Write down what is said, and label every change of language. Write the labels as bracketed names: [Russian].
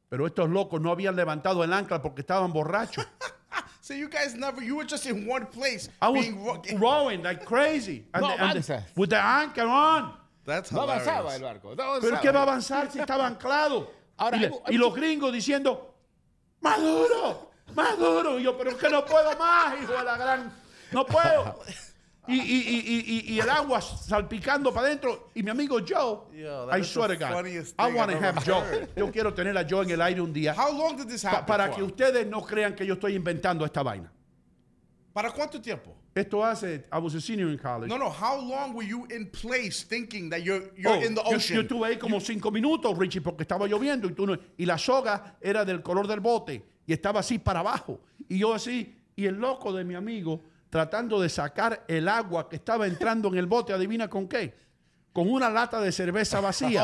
[Spanish] Pero estos locos no habían levantado el ancla porque estaban borrachos. [English] So you guys never, you were just in one place. I was rowing like crazy. With the anchor on. That's [Spanish] no avanzaba el barco. No avanzaba. ¿Pero qué va a avanzar si estaba anclado? Ahora, y los gringos diciendo, ¡Maduro! ¡Maduro! Y yo, ¡pero es que no puedo más, hijo de la gran! ¡No puedo! Y el agua salpicando para adentro. Y mi amigo Joe, yo, [English] I swear to God, I want to have Joe. [Spanish] Yo quiero tener a Joe en el aire un día. [English] How long did this happen [Spanish] para [English] for? [Spanish] Que ustedes no crean que yo estoy inventando esta vaina. ¿Para cuánto tiempo? Esto hace, [English] I was a senior in college. No, no, how long were you in place thinking that you're in the ocean? [Spanish] Yo estuve ahí como 5 minutos, Richie, porque estaba lloviendo y tú no, y la soga era del color del bote y estaba así para abajo. Y yo así, y el loco de mi amigo tratando de sacar el agua que estaba entrando en el bote, ¿adivina con qué? Con una lata de cerveza vacía.